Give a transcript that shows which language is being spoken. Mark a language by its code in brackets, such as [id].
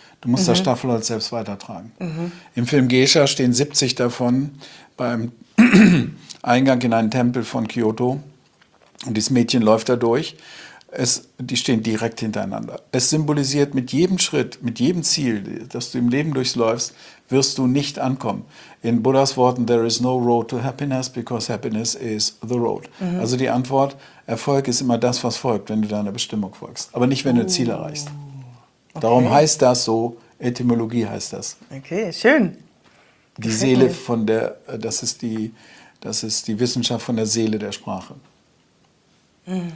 [de] Du musst das Staffelholz selbst weitertragen. Mhm. Im Film Geisha stehen 70 davon beim Eingang in einen Tempel von Kyoto. Und dieses Mädchen läuft da durch. Die stehen direkt hintereinander. Es symbolisiert, mit jedem Schritt, mit jedem Ziel, das du im Leben durchläufst, wirst du nicht ankommen. In Buddhas Worten, [en] there is no road to happiness, because happiness is the road. Mhm. [de] Also die Antwort, Erfolg ist immer das, was folgt, wenn du deiner Bestimmung folgst. Aber nicht, wenn du Ziel erreichst. Okay. Darum heißt das so, Etymologie heißt das. Okay, schön. Die Seele von der, das ist die Wissenschaft von der Seele der Sprache. Mhm.